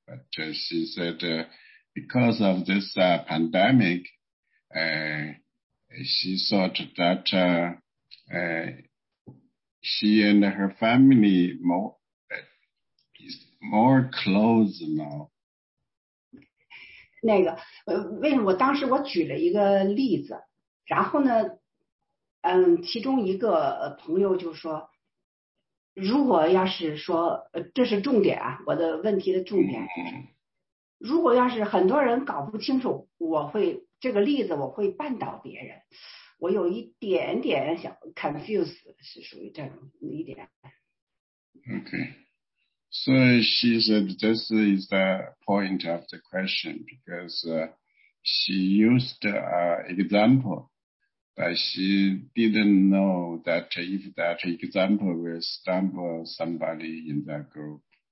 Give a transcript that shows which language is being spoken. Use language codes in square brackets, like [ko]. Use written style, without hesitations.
[en] But she said because of this pandemic, she thought that she and her family is more close now. [zh] 那个，为什么我当时举了一个例子，然后呢，其中一个朋友就说，如果要是说这是重点啊，我的问题的重点，如果要是很多人搞不清楚，我会这个例子我会绊倒别人，我有一点点想 confuse 是属于这种一点。 [en] Okay, so she said this is the point of the question because she used an example that she didn't know that if that example will stumble somebody in that group.